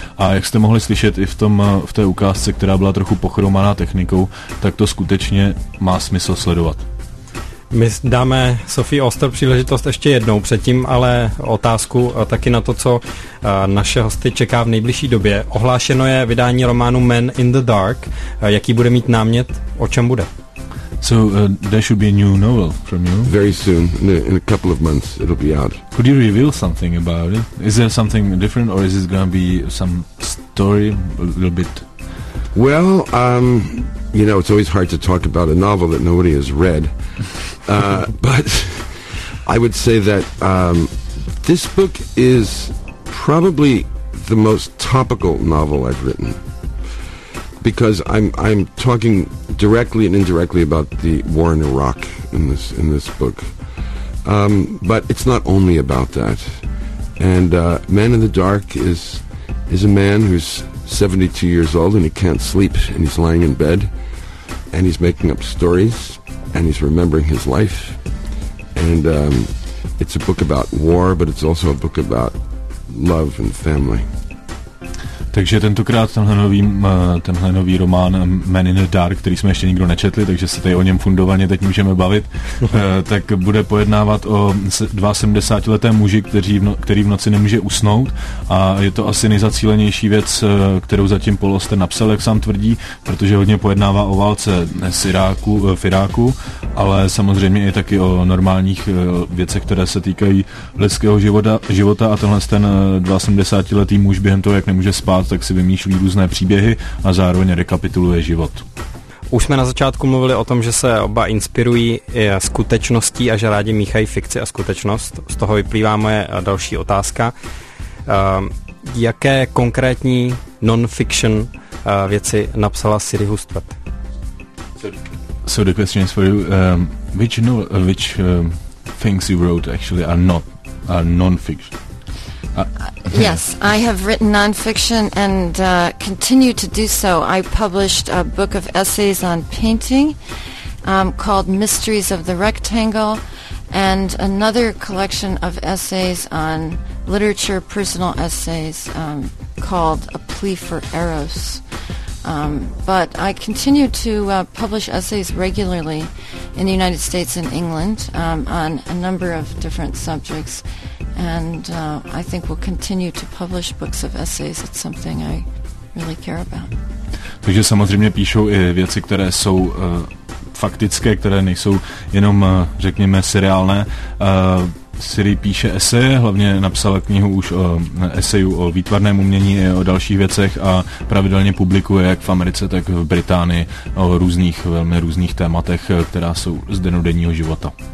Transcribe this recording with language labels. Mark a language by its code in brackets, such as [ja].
[cs] A jak jste mohli slyšet i v té ukázce, která byla trochu pochromaná technikou, tak to skutečně má smysl sledovat. My dáme Sophie Auster příležitost ještě jednou předtím, ale otázku taky na to, co naše hosty čeká v nejbližší době. Ohlášeno je vydání románu Man in the Dark. Jaký bude mít námět? O čem bude? [en] So there should be a new novel from you. Very soon, in a couple of months, it'll be out. Could you reveal something about it? Is there something different, or is it going to be some story, a little bit? Well, you know, it's always hard to talk about a novel that nobody has read. But I would say that this book is probably the most topical novel I've written, because I'm talking directly and indirectly about the war in Iraq in this book. But it's not only about that. And Man in the Dark is a man who's 72 years old and he can't sleep, and he's lying in bed and he's making up stories and he's remembering his life. And it's a book about war, but it's also a book about love and family. [cs] Takže tentokrát tenhle nový román Man in the Dark, který jsme ještě nikdo nečetli, takže se tady o něm fundovaně teď můžeme bavit, tak bude pojednávat o 72-letém muži, který v noci nemůže usnout, a je to asi nejzacílenější věc, kterou zatím Paul Auster napsal, jak sám tvrdí, protože hodně pojednává o válce v Iráku, ale samozřejmě i taky o normálních věcech, které se týkají lidského života, a tenhle ten 72-letý muž během toho, jak nemůže spát, tak si vymýšlí různé příběhy a zároveň rekapituluje život. Už jsme na začátku mluvili o tom, že se oba inspirují skutečností a že rádi míchají fikci a skutečnost. Z toho vyplývá moje další otázka. Jaké konkrétní non-fiction věci napsala Siri Hustvedt? [en] So the question is for you, which things you wrote actually are non-fiction? Yes, I have written nonfiction and continue to do so. I published a book of essays on painting called Mysteries of the Rectangle, and another collection of essays on literature, personal essays called A Plea for Eros. But I continue to publish essays regularly in the United States and England on a number of different subjects. And I think we'll continue to publish books of essays. It's something I really care about. [cs] Takže samozřejmě píšou i věci, které jsou faktické, které nejsou jenom, řekněme, seriálné. Siri píše eseje, hlavně napsala knihu už o eseju o výtvarném umění i o dalších věcech a pravidelně publikuje jak v Americe, tak v Británii o různých, velmi různých tématech, která jsou z dennodenního života.